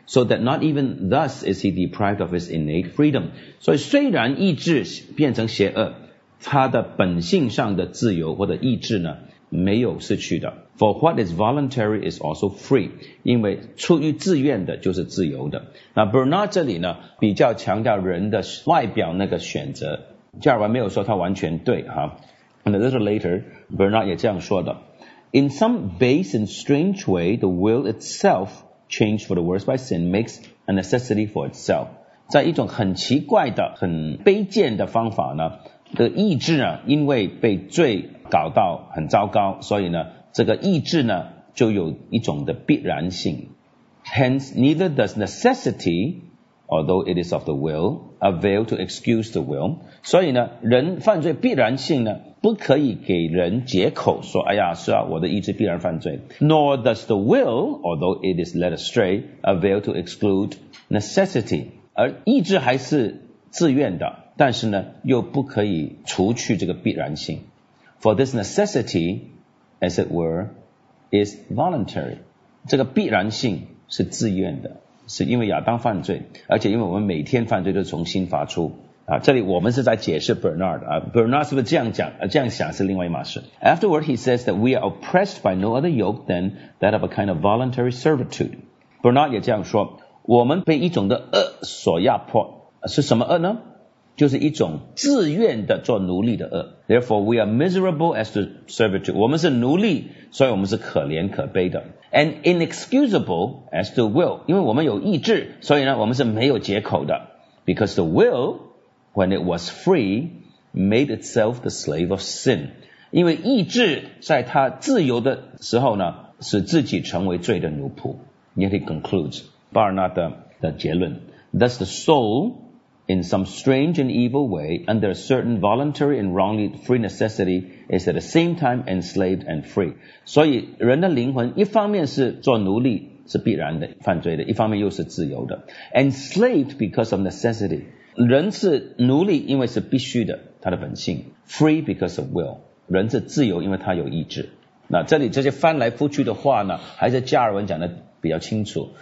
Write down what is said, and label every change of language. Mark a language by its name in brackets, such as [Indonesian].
[English] So that not even thus is he deprived of his innate freedom. [Chinese] 所以虽然意志变成邪恶，他的本性上的自由或者意志呢没有失去的。 [English] For what is voluntary is also free. [Chinese] 因为出于自愿的就是自由的。那 Bernard 这里呢比较强调人的外表那个选择，加尔文没有说他完全对哈。 [English] And a little later Bernard [Chinese] 也这样说的， [English] In some base and strange way, the will itself, changed for the worse by sin, makes a necessity for itself. [Chinese] 在一种很奇怪的、很卑贱的方法呢，的意志呢，因为被罪搞到很糟糕，所以呢，这个意志呢，就有一种的必然性。 [English] Hence, neither does necessity, although it is of the will, avail to excuse the will. [Chinese] 所以呢，人犯罪必然性呢不可以给人借口说，哎呀，是啊，我的意志必然犯罪。 [English] Nor does the will, although it is led astray, avail to exclude necessity. [Chinese] 而意志还是自愿的，但是呢，又不可以除去这个必然性。 [English] For this necessity, as it were, is voluntary. [Chinese] 这个必然性是自愿的，是因为亚当犯罪，而且因为我们每天犯罪都从心发出。啊，这里我们是在解释 Bernard 啊， Bernard 是不是这样讲？这样想是另外一码事。 [English] Afterward, he says that we are oppressed by no other yoke than that of a kind of voluntary servitude. [Chinese] Bernard 也这样说，我们被一种的恶所压迫，是什么恶呢？就是一种自愿的做奴隶的恶。 [English] Therefore, we are miserable as to servitude. [Chinese] 我们是奴隶，所以我们是可怜可悲的。 [English] And inexcusable as to will, [Chinese] 因为我们有意志，所以呢，我们是没有借口的。 [English] Because the will,When it was free, made itself the slave of sin. [Chinese] 因为意志在他自由的时候呢，使自己成为罪的奴仆。 [English] Yet he concludes, Barnard [Chinese] 的结论。 [English] Thus the soul, in some strange and evil way, under a certain voluntary and wrongly free necessity, is at the same time enslaved and free. [Chinese] 所以人的灵魂一方面是做奴隶，是必然的犯罪的，一方面又是自由的。 [English] Enslaved because of necessity. [Chinese] 人是奴隶，因为是必须的，他的本性 [English] free because of will， [Chinese] 人是自由，因为他有意志。那这里这些翻来覆去的话呢，还是加尔文讲的比较清楚。